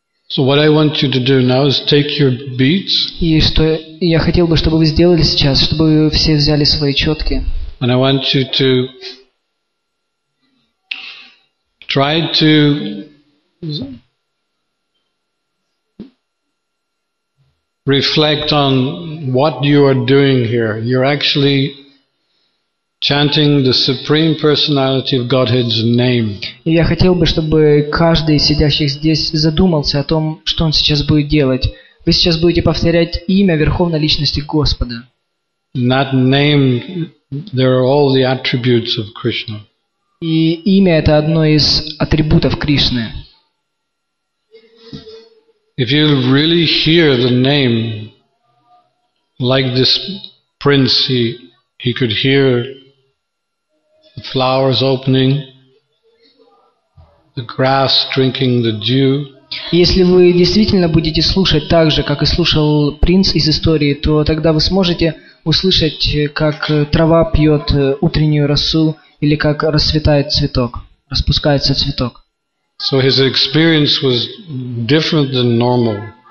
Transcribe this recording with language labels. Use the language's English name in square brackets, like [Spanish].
[English] So what I want you to do now is take your beads. [Russian] И что я хотел бы, чтобы вы сделали сейчас, чтобы вы все взяли свои четки. [English] And I want you to try to reflect on what you are doing here. You're actually chanting the Supreme Personality of Godhead's name. [Russian] Я хотел бы, чтобы каждый из сидящих здесь задумался о том, что он сейчас будет делать. Вы сейчас будете повторять имя Верховной Личности Господа. [English] That name There are all the attributes of Krishna. [Russian] И имя это одно из атрибутов Кришны. [English] If you really hear the name, like this prince, he could hear the flowers opening, the grass drinking the dew. [Russian] Если вы действительно будете слушать так же, как и слушал принц из истории, то тогда вы сможете услышать, как трава пьет утреннюю росу или как расцветает цветок, распускается цветок. [English] So his experience was different than normal.